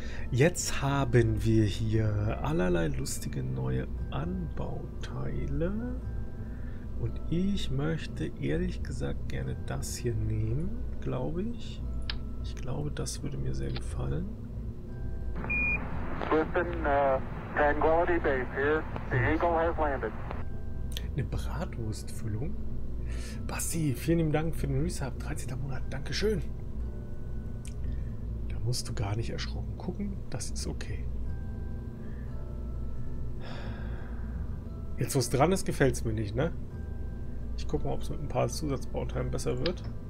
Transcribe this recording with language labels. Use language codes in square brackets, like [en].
[de] Jetzt haben wir hier allerlei lustige neue Anbauteile. Und ich möchte ehrlich gesagt gerne das hier nehmen, glaube ich. Ich glaube, das würde mir sehr gefallen. [en] Listen, Tranquility Base here. The Eagle has landed. [de] Eine Bratwurstfüllung? Basti, vielen lieben Dank für den Resub. 13. Monat, Dankeschön. Da musst du gar nicht erschrocken gucken. Das ist okay. Jetzt, wo es dran ist, gefällt es mir nicht, ne? Ich gucke mal, ob es mit ein paar Zusatzbauteilen besser wird.